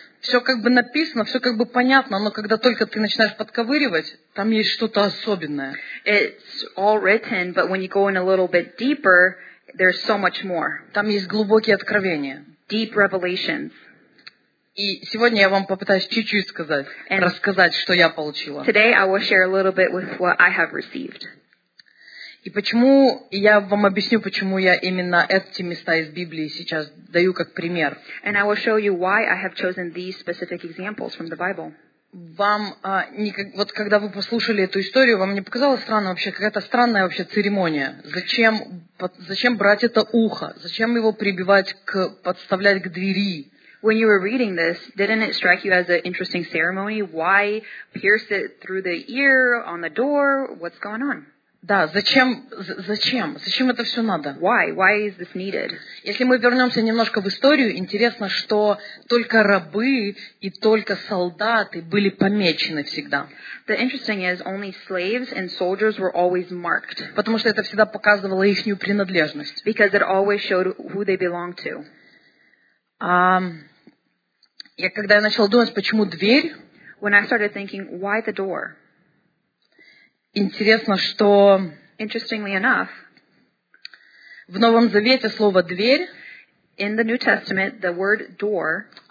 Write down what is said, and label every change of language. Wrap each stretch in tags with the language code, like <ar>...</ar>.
<ru>Все как бы написано, все как бы понятно, но когда только ты начинаешь подковыривать, там есть что-то особенное.</ru> <en>It's all written, but when you go in a little bit deeper, there's so much more.</en> <ru>Там есть глубокие откровения.</ru> <en>Deep revelations.</en> <ru>И сегодня я вам попытаюсь чуть-чуть сказать, and рассказать, что я получила.</ru> <en>Today I will share a little bit with what I have received.</en> <ru>И почему, я вам объясню, почему я именно эти места из Библии сейчас даю как пример.</ru> <en>And I will show you why I have chosen these specific examples from the Bible.</en> <ru>Вам, вот когда вы послушали эту историю, вам не показалось странно вообще, какая-то странная вообще церемония? Зачем брать это ухо? Зачем его подставлять к двери?</ru> <en>When you were reading this, didn't it strike you as an interesting ceremony? Why pierce it through the ear, on the door? What's going on?</en> <ru>Да, зачем? Зачем это все надо?</ru> <en>Why is this needed?</en> <ru>Если мы вернемся немножко в историю, интересно, что только рабы и только солдаты были помечены всегда.</ru> <en>The interesting is only slaves and soldiers were always marked.</en> <ru>Потому что это всегда показывало ихнюю принадлежность.</ru> <en>Because it always showed who they belonged to.</en> <ru>Я когда я начала думать, почему дверь?</ru> <en>When I started thinking, why the door?</en> <ru>Интересно, что</ru> <en>Interestingly enough,</en> <ru>в Новом Завете слово «дверь»</ru> <en>in the New Testament, the word door,</en>